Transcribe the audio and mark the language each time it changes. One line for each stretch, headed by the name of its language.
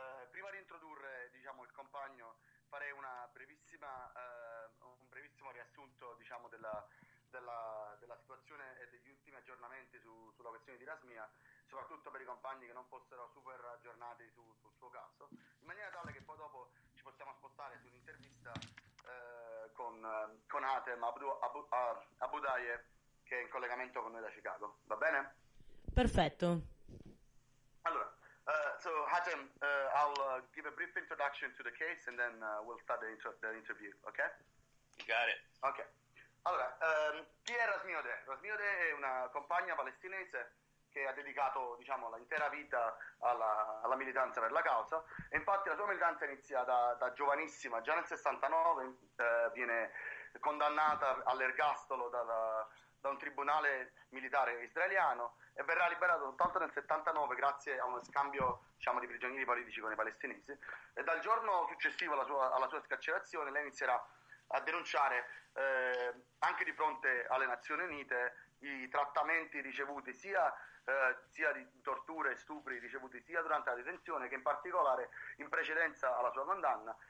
Italian: Prima di introdurre, diciamo, il compagno, farei un brevissimo riassunto, diciamo, della situazione e degli ultimi aggiornamenti sulla questione di Rasmia, soprattutto per i compagni che non fossero super aggiornati sul suo caso, in maniera tale che poi dopo ci possiamo spostare su un'intervista con Atem Abudaye, che è in collegamento con noi da Chicago. Va bene? Perfetto. Allora,
English: so Atem, I'll give a brief introduction to the case and then we'll start the interview, okay? You got it.
Italian: Okay. Allora, chi è Rasmiodeh? Rasmiodeh è una compagna palestinese che ha dedicato, diciamo, l'intera vita alla militanza per la causa, e infatti la sua militanza inizia da giovanissima. Già nel 69 viene condannata all'ergastolo da un tribunale militare israeliano e verrà liberata soltanto nel 79 grazie a uno scambio, diciamo, di prigionieri politici con i palestinesi, e dal giorno successivo alla sua scarcerazione lei inizierà a denunciare anche di fronte alle Nazioni Unite i trattamenti ricevuti sia di torture e stupri ricevuti sia durante la detenzione che in particolare in precedenza alla sua condanna.